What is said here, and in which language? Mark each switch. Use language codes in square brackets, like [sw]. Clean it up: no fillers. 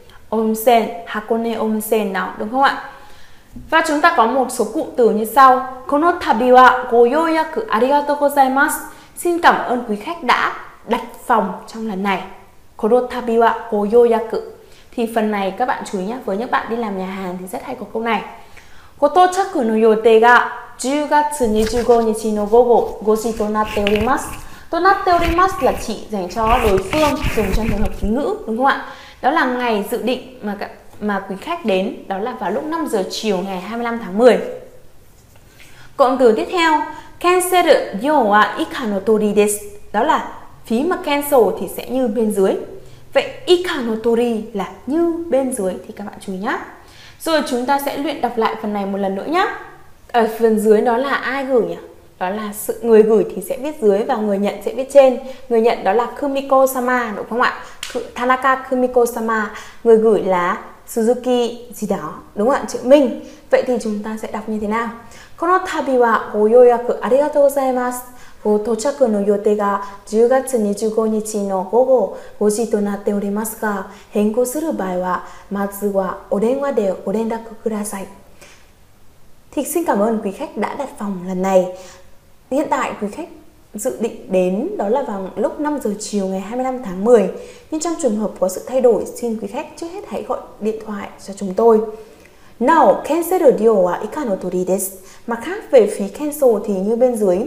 [vi] Onsen, Hakone Onsen đó, đúng không ạ? Và chúng ta có một số cụm từ như sau. [ja] Kono tabi wa goyoyaku arigatou gozaimasu. [vi] Xin cảm ơn quý khách đã đặt phòng trong lần này. [ja] Kono tabi wa goyoyaku. [vi] Thì phần này các bạn chú ý nhé, với những bạn đi làm nhà hàng thì rất hay có câu này. [ja] Gotochaku no yote ga 10月 25日 の午後5時となっております。 [vi] となっております là chỉ dành cho đối phương, dùng trong trường hợp ngữ, đúng không ạ? Đó là ngày dự định mà quý khách đến, đó là vào lúc 5 giờ chiều ngày 25 tháng 10. Cụm từ tiếp theo, cancel [ja] 費用は以下の通りです。 [vi] Đó là phí mà cancel thì sẽ như bên dưới. Vậy 以下の通り là như bên dưới thì các bạn chú ý nhé. Rồi chúng ta sẽ luyện đọc lại phần này một lần nữa nhé. Ở phần dưới đó là ai gửi nhỉ? Đó là sự người gửi thì sẽ viết dưới và người nhận sẽ viết trên. Người nhận đó là Kumiko-sama, đúng không ạ? Tanaka Kumiko-sama. Người gửi là Suzuki gì đó, đúng không ạ? Chữ Minh. Vậy thì chúng ta sẽ đọc như thế nào? [ja] Kono tabi wa ご予約ありがとうございます。ご到着の予定が10月25日の午後5時となっておりますが、変更する場合はまずはお電話でご連絡ください。 [vi] Thì xin cảm ơn quý khách đã đặt phòng lần này. Hiện tại quý khách dự định đến đó là vào lúc 5 giờ chiều ngày 25 tháng 10. Nhưng trong trường hợp có sự thay đổi, xin quý khách trước hết hãy gọi điện thoại cho chúng tôi. Nào, cancel điều [ja] wa ika no tori desu. [vi] Mà khác về phí cancel thì như bên dưới.